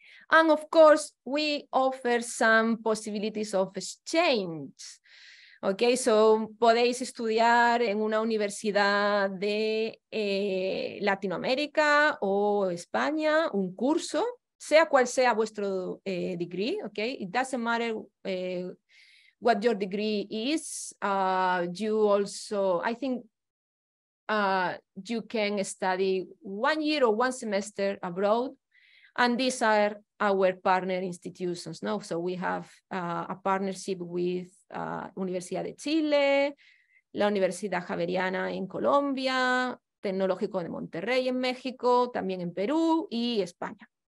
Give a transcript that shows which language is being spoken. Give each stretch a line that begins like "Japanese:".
English: And of course, we offer some possibilities of exchange. Okay, so
Spanish: podéis estudiar en una universidad de Latinoamérica o España, un curso, sea cual sea vuestro
English: degree, okay? It doesn't matter what your degree is. You also, I think you can study 1 year or one semester abroad, and these are our partner institutions, no? So we have a partnership with Universidad de Chile, la Universidad Javeriana en Colombia, Tecnológico de Monterrey en México,
Spanish: también en Perú y España.